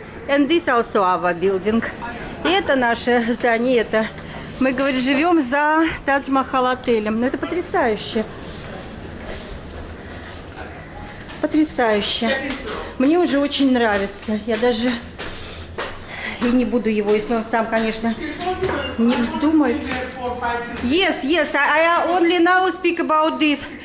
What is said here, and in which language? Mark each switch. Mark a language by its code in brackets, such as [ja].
[en] And this also our building. [ru] И это наше здание, это мы, говорит, живем за Тадж-Махал отелем. Ну, это потрясающе. Потрясающе. Мне уже очень нравится. Я даже и не буду его, если он сам, конечно, не вздумает. [en] Yes, I only now speak about this.